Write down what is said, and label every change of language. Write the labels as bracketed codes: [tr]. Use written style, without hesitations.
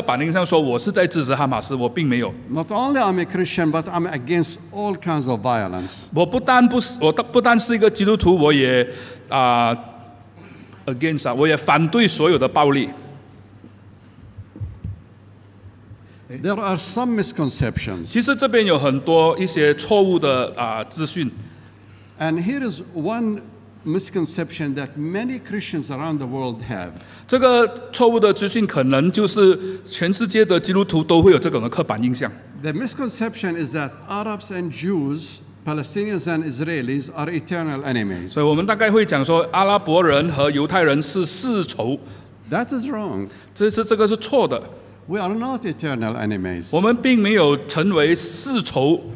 [zh] 好，现在我要告诉你关于这件事情的时候，你不要以一个刻板印象说我是在支持哈马斯，我并没有。 [en] Not only I'm a Christian, but I'm against all kinds of violence. [zh] 我不但是一个基督徒，我也反对所有的暴力。 [en] There are some misconceptions. [zh] 其实这边有很多一些错误的资讯。 [en] And here is one misconception that many Christians around the world have. [zh] 这个错误的资讯可能就是全世界的基督徒都会有这种刻板印象。 [en] The misconception is that Arabs and Jews, Palestinians and Israelis are eternal enemies. [zh] 所以我们大概会讲说阿拉伯人和犹太人是世仇。 [en] That is wrong. [zh] 这是错的。 [en] We are not eternal enemies. [zh] 我们并没有成为世仇。